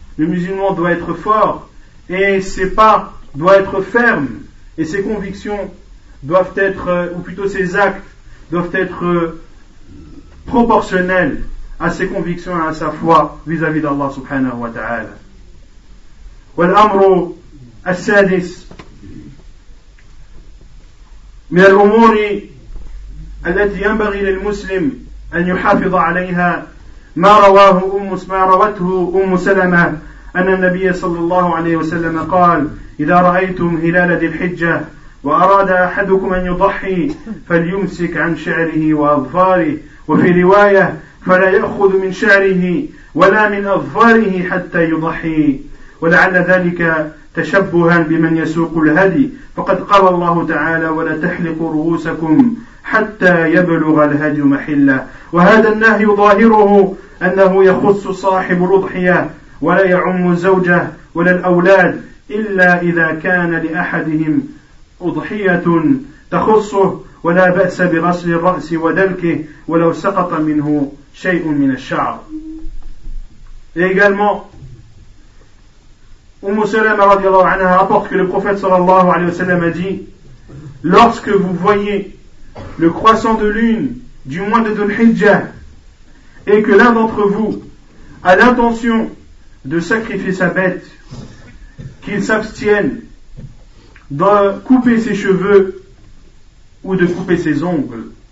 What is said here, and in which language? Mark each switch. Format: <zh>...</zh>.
<fr>Le musulman doit être fort et ses pas doivent être fermes et ses convictions doivent être, ou plutôt ses actes doivent être proportionnels à ses convictions et à sa foi vis-à-vis d'Allah subhanahu wa ta'ala.</fr> <ar>والأمر السادس من الأمور التي ينبغي للمسلم أن يحافظ عليها ما رواه ما روته أم سلمة أن النبي صلى الله عليه وسلم قال إذا رأيتم هلال ذي الحجة وأراد أحدكم أن يضحي فليمسك عن شعره وأظفاره وفي رواية فلا يأخذ من شعره ولا من أظفاره حتى يضحي ولعل ذلك تشبها بمن يسوق الهدي فقد قال الله تعالى ولا تحلقوا رؤوسكم حتى يبلغ الهدي محلة وهذا النهي ظاهره أنه يخص صاحب الأضحية ولا يعم زوجه ولا الأولاد إلا إذا كان لأحدهم أضحية تخصه ولا بأس بغسل الرأس ودلكه ولو سقط منه شيء من الشعر.</ar> <fr>Umm Salama radiallahu anha rapporte que le prophète sallallahu alayhi wa sallam a dit: lorsque vous voyez le croissant de lune du mois de Dhul-Hijjah et que l'un d'entre vous a l'intention de sacrifier sa bête, qu'il s'abstienne de couper ses cheveux ou de couper ses ongles.</fr>